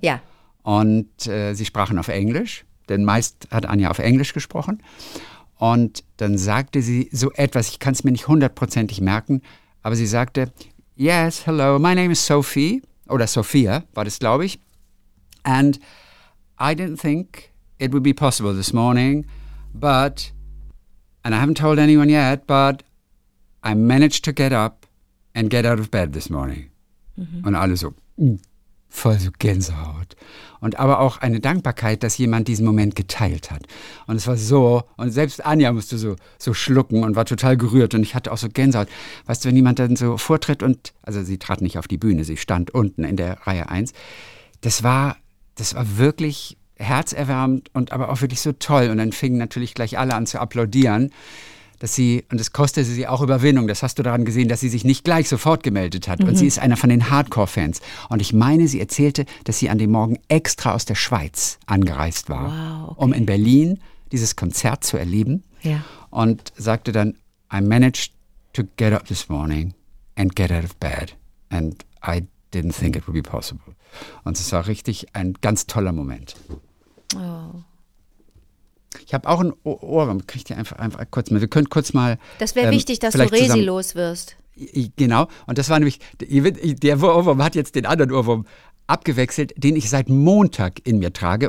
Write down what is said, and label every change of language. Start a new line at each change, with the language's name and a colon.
German: Ja. Und sie sprachen auf Englisch, denn meist hat Anja auf Englisch gesprochen. Und dann sagte sie so etwas, ich kann es mir nicht hundertprozentig merken, aber sie sagte,
English: yes, hello, my name is Sophie,
German: oder Sophia war das, glaube ich.
English: And I didn't think it would be possible this morning, but, and I haven't told anyone yet, but I managed to get up and get out of bed this morning. Mhm.
German: Und alle so, voll so Gänsehaut. Und aber auch eine Dankbarkeit, dass jemand diesen Moment geteilt hat. Und es war so, und selbst Anja musste so schlucken und war total gerührt. Und ich hatte auch so Gänsehaut. Weißt du, wenn jemand dann so vortritt und, also sie trat nicht auf die Bühne, sie stand unten in der Reihe 1. Das war wirklich herzerwärmend und aber auch wirklich so toll. Und dann fingen natürlich gleich alle an zu applaudieren. dass sie, und es kostete sie auch Überwindung, das hast du daran gesehen, dass sie sich nicht gleich sofort gemeldet hat. Mhm. Und sie ist einer von den Hardcore-Fans. Und ich meine, sie erzählte, dass sie an dem Morgen extra aus der Schweiz angereist war, wow, okay, um in Berlin dieses Konzert zu erleben. Ja. Und sagte dann,
English: I managed to get up this morning and get out of bed. And I didn't think it would be possible.
German: Und es war richtig ein ganz toller Moment. Oh. Ich habe auch ein Ohrwurm, kriege ich dir einfach kurz mal. Wir können kurz mal. Das wäre wichtig, dass du Resi zusammen loswirst. Genau, und das war nämlich, der Ohrwurm hat jetzt den anderen Ohrwurm abgewechselt, den ich seit Montag in mir trage.